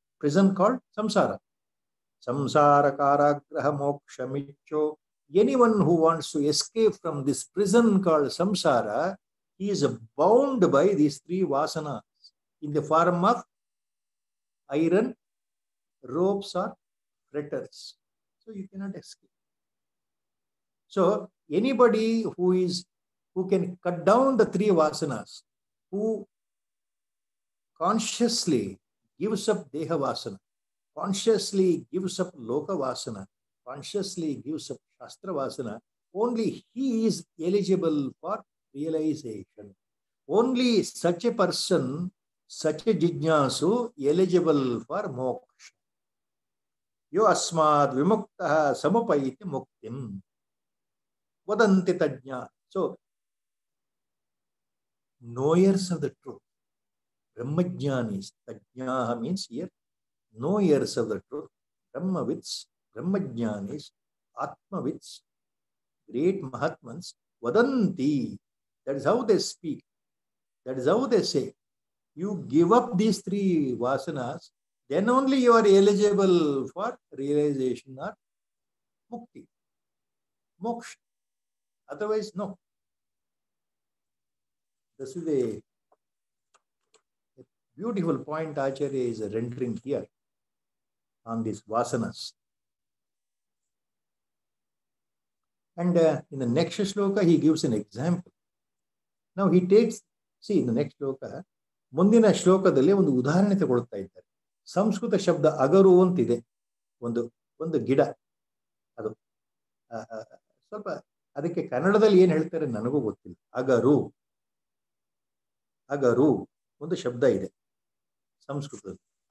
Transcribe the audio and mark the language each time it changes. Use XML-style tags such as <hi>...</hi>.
<en>Prison called ಸಂಸಾರ.</en> <sa>ಸಂಸಾರ ಕಾರಾಗ್ರಹ ಮೋಕ್ಷ ಮಿಚ್ಚೋ,</sa> <en>Any one who wants to escape from this prison called ಸಂಸಾರ, is bound by these three ವಾಸನಾ in the form of iron ropes or fetters. So you cannot escape. So anybody who can cut down the three vasanas, who consciously gives up deha vasana, consciously gives up loka vasana, consciously gives up shastra vasana, only he is eligible for realization. Only such a person, such a jijnyasu, eligible for moksha.</en> <sa>ಯೋ ಅಸ್ಮಾತ್ ವಿಮುಕ್ತ ಸಮುಪೈತಿ ಮುಕ್ತಿಂ ವದಂತಿ ತಜ್ಞ.</sa> <en>So knowers of the truth, ಬ್ರಹ್ಮಜ್ಞಾನೀಸ್, ತಜ್ಞಾ means ಇಯರ್ ನೋಯರ್ಸ್ ಆಫ್ ದ ಟ್ರೂತ್, ಬ್ರಹ್ಮವಿತ್ಸ್, ಬ್ರಹ್ಮಜ್ಞಾನೀಸ್, ಆತ್ಮವಿತ್ಸ್, ಗ್ರೇಟ್ ಮಹಾತ್ಮನ್ಸ್, ವದಂತಿ, that is how they speak, that is how they say. You give up these three ವಾಸನಾಸ್, then only you are eligible for realization or mukti, moksha. Otherwise, no. This is a beautiful point Acharya is rendering here. on these vasanas. And in the next shloka, he gives an example. Now he takes, see in the next shloka,</en> <kn>ಮುಂದಿನ ಶ್ಲೋಕದಲ್ಲಿ ಒಂದು ಉದಾಹರಣೆ ತಗೊಳ್ತಾ ಇದ್ದಾರೆ. ಸಂಸ್ಕೃತ ಶಬ್ದ ಅಗರು ಅಂತಿದೆ, ಒಂದು ಒಂದು ಗಿಡ ಅದು. ಸ್ವಲ್ಪ ಅದಕ್ಕೆ ಕನ್ನಡದಲ್ಲಿ ಏನು ಹೇಳ್ತಾರೆ ನನಗೂ ಗೊತ್ತಿಲ್ಲ. ಅಗರು ಅಗರು ಒಂದು ಶಬ್ದ ಇದೆ ಸಂಸ್ಕೃತದಲ್ಲಿ.</kn>